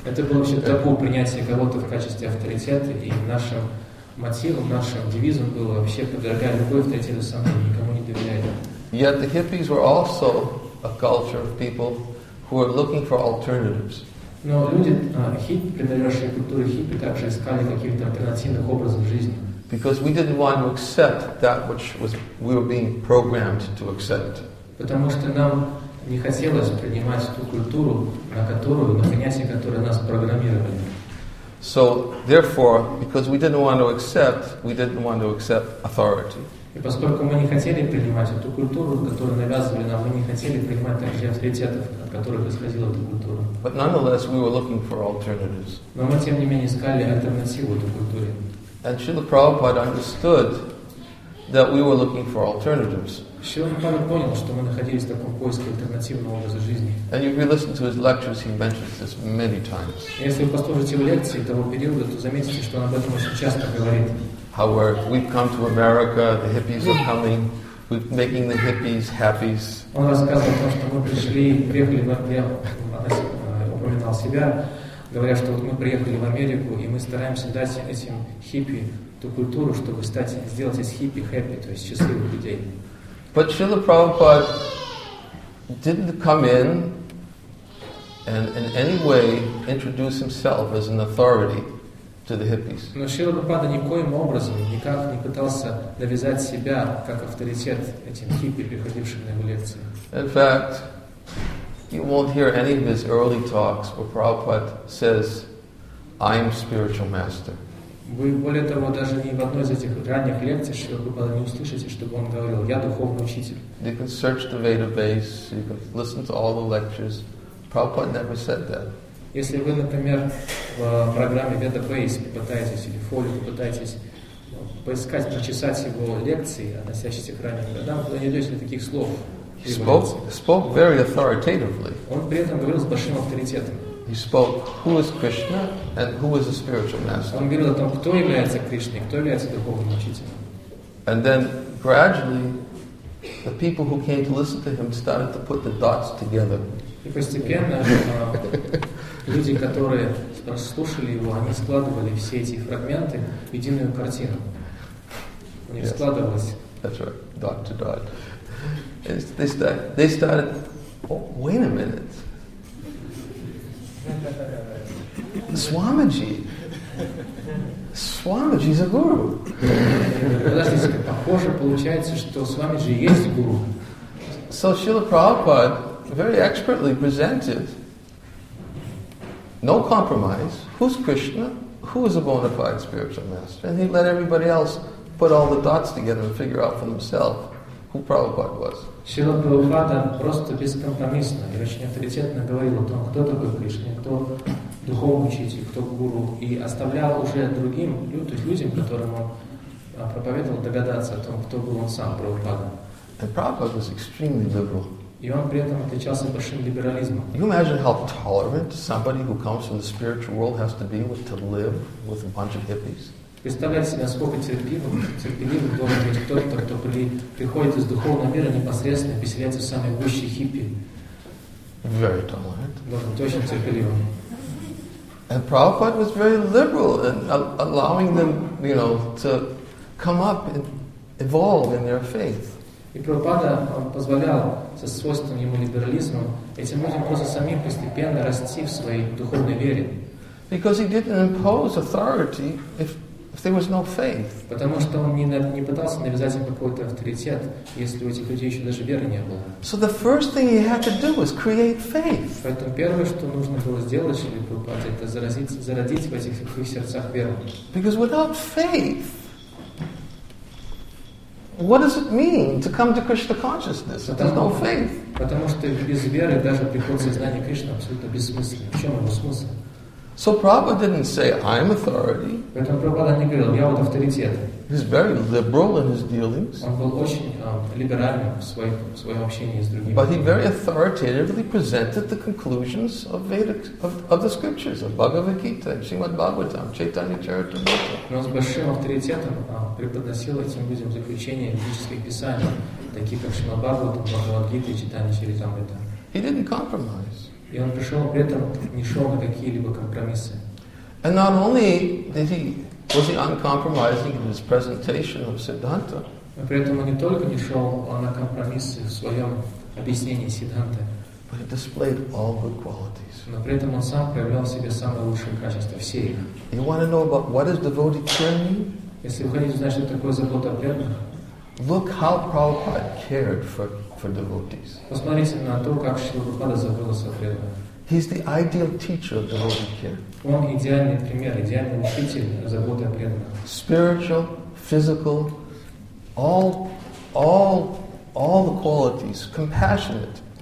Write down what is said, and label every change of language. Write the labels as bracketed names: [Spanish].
[Russian] Это было вообще табу принятие кого-то в качестве авторитета, и нашим мотивом, нашим девизом было вообще подвергать любой авторитет сомнению, никому не доверять. [English] Yet the hippies were also a culture of people who are looking for alternatives. [Russian] Но люди хиппи, принадлежащие культуре хиппи, также искали каких-то альтернативных образов жизни. [English] Because we didn't want to accept that which was we were being programmed to accept. [Russian] Потому что нам не хотелось принимать ту культуру, на принятие которой нас программировали. [English] So therefore, because we didn't want to accept, we didn't want to accept authority. [Russian] И поскольку мы не хотели принимать эту культуру, которую навязывали нам, мы не хотели принимать также авторитетов, от которых исходила эта культура. [English] But nonetheless, we were looking for alternatives. [Russian] Но мы, тем не менее, искали альтернативу этой культуре. [English] And Srila Prabhupada understood that we were looking for alternatives. [Russian] Srila Prabhupada понял, что мы находились в таком поиске альтернативного образа жизни. [English] And if you listen to his lectures, he mentions this many times. [Russian] Если вы послушаете его лекции того периода, то заметите, что он об этом очень часто говорит. [English] How we've come to America, the hippies are coming, we're making the hippies happy. [Russian] Он рассказывал о том, что мы пришли, приехали в Америку, упоминал себя, говоря, что вот мы приехали в Америку, и мы стараемся дать этим хиппи ту культуру, чтобы стать, сделать из хиппи happy, то есть счастливых людей. [English] But Srila Prabhupada didn't come in and in any way introduce himself as an authority to the hippies. [Russian] Но Шрила Прабхупада никоим образом никак не пытался навязать себя как авторитет этим хиппи, приходившим на его лекции. [English] In fact, you won't hear any of his early talks where Prabhupada says, "I am spiritual master." [Russian] Вы более того, даже ни в одной из этих ранних лекций Шрила Прабхупада не услышите, чтобы он говорил, "Я духовный учитель." [English] You can search the Veda base. You can listen to all the lectures. Prabhupada never said that. [Russian] Если вы, например, в программе Veda Base попытаетесь или фолио попытаетесь поискать, прочесать его лекции, относящиеся к ранним годам, вы найдете таких слов. [English] He spoke very authoritatively. [Russian] Он при этом говорил с большим авторитетом. [English] He spoke, who is Krishna and who is a spiritual master. [Russian] Он говорил о том, кто является Кришной, кто является духовным учителем. [English] And then gradually the people who came to listen to him started to put the dots together. [Russian] И постепенно люди, которые слушали его, они складывали все эти фрагменты в единую картину. У них складывалось. [English] That's right. Dot to dot. They started. Oh, wait a minute. Swamiji. Swamiji's a guru. [Russian] Похоже получается, что Swamiji есть гуру. [English] So Srila Prabhupada very expertly presented. No compromise. Who's Krishna? Who is a bona fide spiritual master? And he let everybody else put all the dots together and figure out for themselves who Prabhupada was. [Russian] Srila Prabhupada просто бескомпромиссно и очень авторитетно говорил о том, кто такой Кришна, кто духовный учитель, кто гуру, и оставлял уже другим людям, которым он проповедовал, догадаться о том, кто был он сам, Прабхупада. [English] And Prabhupada was extremely liberal. [Russian] И он при этом отличался большим либерализмом. [English] You imagine how tolerant somebody who comes from the spiritual world has to be with to live with a bunch of hippies? [Russian] Представляете себе, насколько терпеливым должен быть кто-то, кто приходит из духовного мира непосредственно поселяться в самые гущие хиппи. [English] Very tolerant. [Russian] Должен быть очень терпеливым. [English] And Prabhupada was very liberal in allowing them, you know, to come up and evolve in their faith. [Russian] И Прабхупада позволял со свойством ему либерализмом этим людям просто самим постепенно расти в своей духовной вере. [English] Because he didn't impose authority if there was no faith. [Russian] Потому что он не пытался навязать им какой-то авторитет, если у этих людей еще даже веры не было. [English] So the first thing he had to do was create faith. [Russian] Поэтому первое, что нужно было сделать, чтобы Прабхупада, это зародить в этих их сердцах веру. [English] Because without faith, what does it mean to come to Krishna consciousness? There's no faith. [Russian] Потому что без веры даже приход сознания Кришны абсолютно бессмысленен. В чем его смысл? [English] So Prabhupada didn't say, I'm authority. [Russian] Поэтому Прабхупада не говорил, я вот авторитет. [English] He's very liberal in his dealings. [Russian] Он был очень либеральным в своем общении с другими. [English] But he very authoritatively presented the conclusions of Vedic of the scriptures, of Bhagavad Gita, Srimad Bhagavatam, Chaitanya Charitamrita. [Russian] Но он с большим авторитетом преподносил этим людям заключения ведических писаний, таких как Шримад Бхагаватам, Бхагавад Гита и Чайтанья Чаритамрита. [English] He didn't compromise. [Russian] И он пришел, при этом не шел на какие-либо компромиссы. [English] And not only did he was he uncompromising in his presentation of Siddhanta. [Russian] Но при этом он не только не шел на компромиссы в своем объяснении Сиддханты. [English] But he displayed all good qualities. [Russian] Но при этом он сам проявлял в себе самые лучшие качества, все их. [English] You want to know about what is devotee care mean? [Russian] Если вы хотите знать, что такое забота о преданных. [English] Look how Prabhupada cared for devotees. [Russian] Посмотрите на то, как Шрила Прабхупада заботился о преданных. [English] He's the ideal teacher of devotee care. [Russian] Он идеальный пример, идеальный учитель заботы о преданных. [English] Spiritual, physical, all the qualities, compassionate.